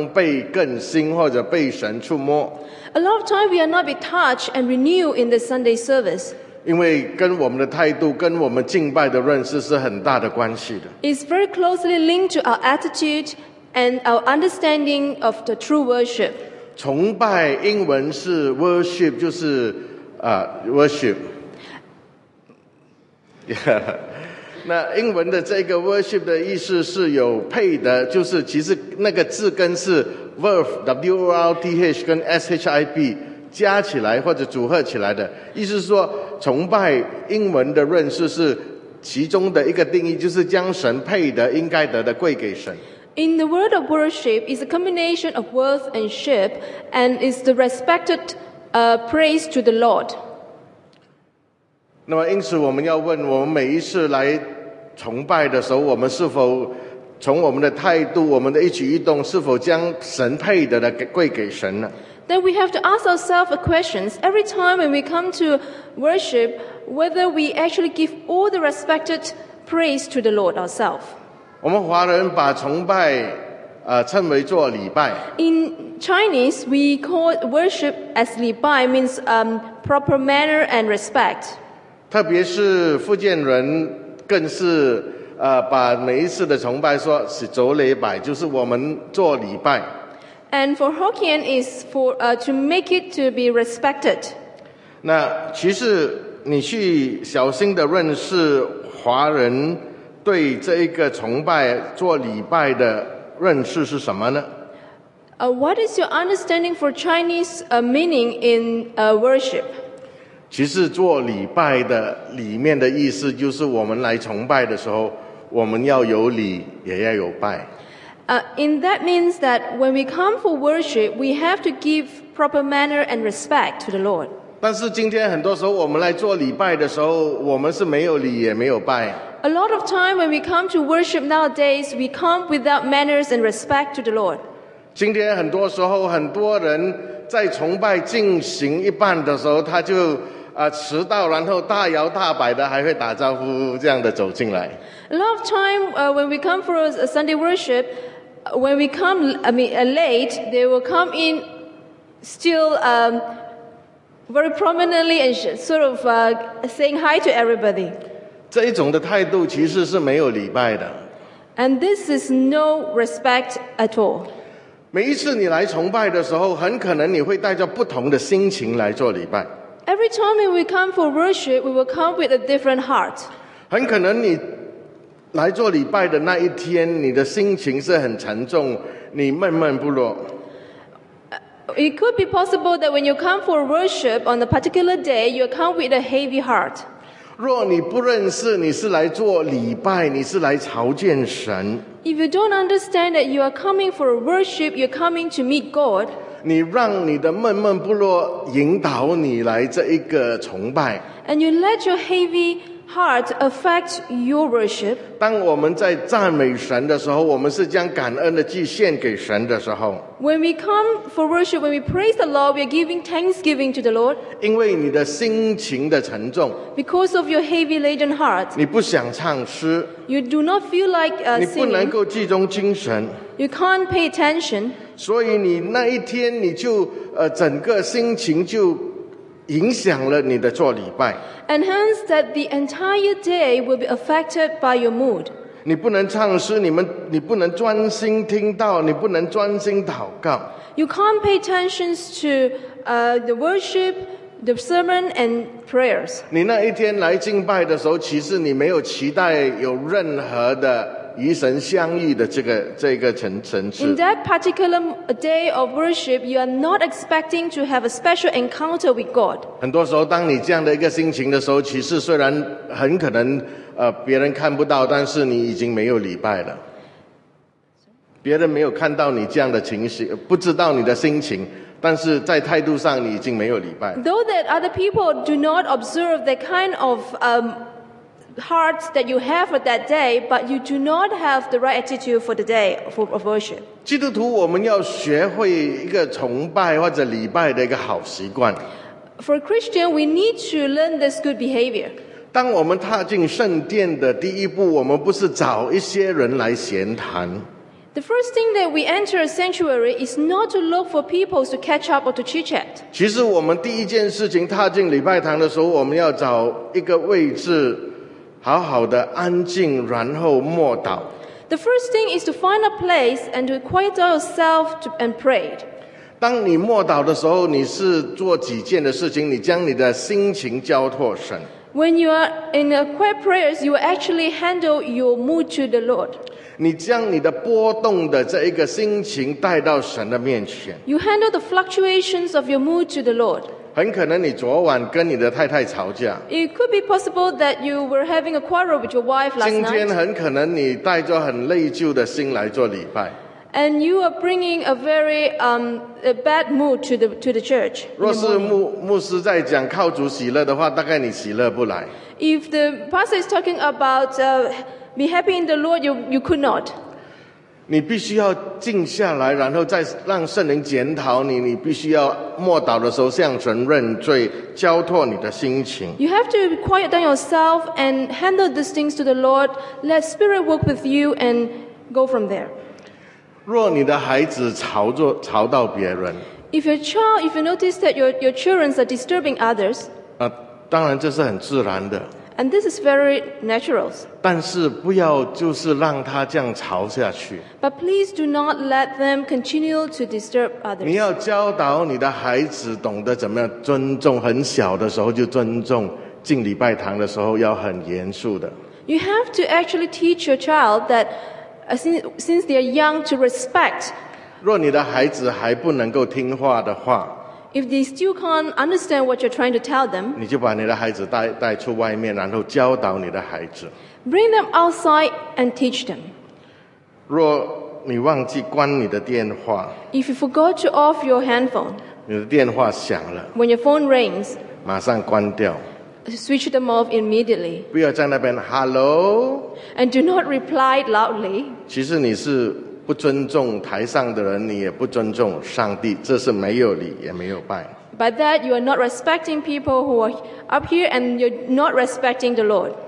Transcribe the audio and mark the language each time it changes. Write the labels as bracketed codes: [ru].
[zh] 我们许多时候没有在这一个礼拜的这个崇拜当中被更新或者被神触摸。 [en] A lot of time we are not be touched and renewed in the Sunday service. [zh] 因为跟我们的态度跟我们敬拜的认识是很大的关系的。 [en] It's very closely linked to our attitude and our understanding of the true worship. [zh] 崇拜英文是 worship, 就是 worship. [en] Yeah. [zh] 那英文的这个 worship 的意思是有配的，就是其实那个字根是 verb，W-O-R-T-H 跟 S-H-I-P 加起来或者组合起来的，意思是说崇拜英文的认识是其中的一个定义，就是将神配得应该得的归给神。 [en] In the word of worship is a combination of worth and ship, and is the respected praise to the Lord. [zh] 那么，因此我们要问：我们每一次来崇拜的时候，我们是否从我们的态度、我们的一举一动，是否将神配得的归给神呢？ [en] Then we have to ask ourselves a question. Every time when we come to worship, whether we actually give all the respected praise to the Lord ourselves. [zh] 我们华人把崇拜称为做礼拜。 [en] In Chinese, we call worship as 礼拜 means proper manner and respect. [zh] 特别是福建人更是把每一次的崇拜说是做礼拜，就是我们做礼拜。 [en] And for Hokkien is for to make it to be respected. [zh] 那其实你去小心的认识华人对这一个崇拜做礼拜的认识是什么呢？ [en] What is your understanding for Chinese meaning in worship? [zh] 其实做礼拜的里面的意思就是我们来崇拜的时候，我们要有礼，也要有拜。 [en] In that means that when we come for worship, we have to give proper manner and respect to the Lord. [zh] 但是今天很多时候我们来做礼拜的时候，我们是没有礼也没有拜。 [en] A lot of time when we come to worship nowadays, we come without manners and respect to the Lord. [zh] 今天很多时候很多人在崇拜进行一半的时候他就迟到，然后大摇大摆的还会打招呼这样的走进来。 [en] A lot of time when we come for a Sunday worship, when we come late, they will come in still very prominently and sort of saying hi to everybody. [zh] 这一种的态度其实是没有礼拜的。 [en] And this is no respect at all. [zh] 每一次你来崇拜的时候，很可能你会带着不同的心情来做礼拜。 [en] Every time when we come for worship, we will come with a different heart. [zh] 很可能你来做礼拜的那一天，你的心情是很沉重，你闷闷不乐。 [en] It could be possible that when you come for worship on a particular day, you come with a heavy heart. [zh] 若你不认识你是来做礼拜，你是来朝见神。 [en] If you don't understand that you are coming for worship, you're coming to meet God. [zh] 你让你的闷闷不乐引导你来这一个崇拜。 [en] And you let your heavy heart affect your worship. [zh] 当我们在赞美神的时候，我们是将感恩的祭献给神的时候。 [en] When we come for worship, when we praise the Lord, we are giving thanksgiving to the Lord. [zh] 因为你的心情的沉重。 [en] Because of your heavy laden heart. [zh] 你不想唱诗。 [en] You do not feel like singing. [zh] 你不能够集中精神。 [en] You can't pay attention. [zh] 所以你那一天你就整个心情就影响了你的做礼拜。 [en] And hence that the entire day will be affected by your mood. [zh] 你不能唱诗，你不能专心听到，你不能专心祷告。 [en] You can't pay attention to the worship, the sermon, and prayers. [zh] 你那一天来敬拜的时候，其实你没有期待有任何的与神相遇的这个层次。 [en] In that particular day of worship, you are not expecting to have a special encounter with God. [zh] 很多时候，当你这样的一个心情的时候，其实虽然很可能别人看不到，但是你已经没有礼拜了。别人没有看到你这样的情形，不知道你的心情，但是在态度上你已经没有礼拜。 [en] Though that other people do not observe the kind of hearts that you have for that day, but you do not have the right attitude for the day of worship. [zh] 基督徒，我们要学会一个崇拜或者礼拜的一个好习惯。 [en] For a Christian, we need to learn this good behavior. [zh] 当我们踏进圣殿的第一步，我们不是找一些人来闲谈。 [en] The first thing that we enter a sanctuary is not to look for people to catch up or to chit-chat. [zh] 其实我们第一件事情踏进礼拜堂的时候，我们要找一个位置好好的安静，然后默祷。 [en] The first thing is to find a place and to quiet yourself and pray. [zh] 当你默祷的时候，你是做几件的事情，你将你的心情交托神。 [en] When you are in a quiet prayers, you actually handle your mood to the Lord. [zh] 你将你的波动的这一个心情带到神的面前。 [en] You handle the fluctuations of your mood to the Lord. [zh] 很可能你昨晚跟你的太太吵架。 [en] It could be possible that you were having a quarrel with your wife last night. [zh] 今天很可能你带着很内疚的心来做礼拜。 [en] And you are bringing a very a bad mood to the church. [zh] 若是牧师在讲靠主喜乐的话，大概你喜乐不来。 [en] If the pastor is talking about be happy in the Lord, you could not. [zh] 你必须要静下来，然后再让圣灵检讨你。你必须要默祷的时候向神认罪，交托你的心情。 [en] You have to quiet down yourself and handle these things to the Lord. Let Spirit work with you and go from there. [zh] 若你的孩子吵到别人 [en] if you notice that your children are disturbing others, [zh] 当然这是很自然的 [en] and this is very natural. [zh] 但是不要就是让他这样吵下去 [en] but please do not let them continue to disturb others. [zh] 你要教导你的孩子懂得怎么样尊重，很小的时候就尊重，进礼拜堂的时候要很严肃的。 [en] You have to actually teach your child that. Since they are young, to respect. [zh] 若你的孩子还不能够听话的话 [en] if they still can't understand what you're trying to tell them, [zh] 你就把你的孩子带出外面，然后教导你的孩子。 [en] Bring them outside and teach them. [zh] 若你忘记关你的电话 [en] if you forgot to off your handphone, [zh] 你的电话响了 [en] when your phone rings, [zh] 马上关掉。 [en] Switch them off immediately. [zh] 不要在那边 hello. [en] And do not reply loudly. [zh] 其实你是不尊重台上的人，你也不尊重上帝，这是没有礼也没有拜。 [en] By that, you are not respecting people who are up here, and you're not respecting the Lord.